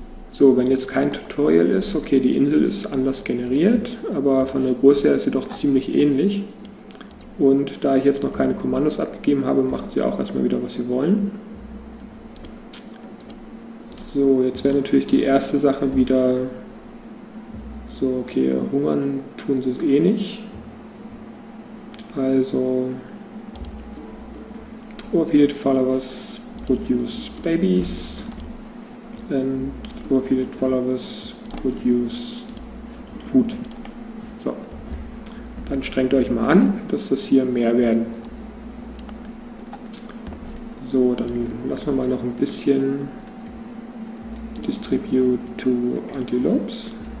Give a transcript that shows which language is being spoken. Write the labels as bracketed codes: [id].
[de] So, wenn jetzt kein Tutorial ist, okay, die Insel ist anders generiert, aber von der Größe her ist sie doch ziemlich ähnlich. Und da ich jetzt noch keine Kommandos abgegeben habe, machen sie auch erstmal wieder, was sie wollen. So, jetzt wäre natürlich die erste Sache wieder, so, okay, hungern tun sie eh nicht. [en] Also, overfeed followers, produce babies, and overfeed followers, produce food. [de] So, dann strengt euch mal an, dass das hier mehr werden. So, dann lassen wir mal noch ein bisschen [en] distribute to antelopes.